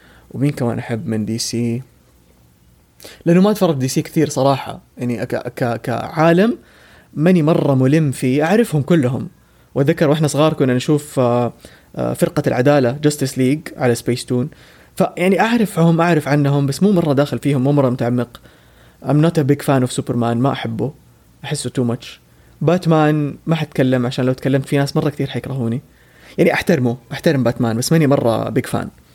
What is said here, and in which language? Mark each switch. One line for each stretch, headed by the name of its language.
Arabic: ومين كمان أحب من دي سي؟ لأنه ما أتفرج دي سي كثير صراحة، يعني كعالم ماني مرة ملم فيه، أعرفهم كلهم. وذكر وإحنا صغار كنا نشوف فرقة العدالة جاستس ليج على سبيستون، فيعني أعرفهم، أعرف عنهم، بس مو مرة داخل فيهم، مو مرة متعمق.
English: I'm not a big fan of Superman،
Arabic: ما أحبه، أحسه
English: too much.
Arabic: باتمان ما حتكلم، عشان لو تكلمت في ناس مرة كثير حيكرهوني، يعني أحترمه، أحترم باتمان، بس ماني مرة
English: big fan.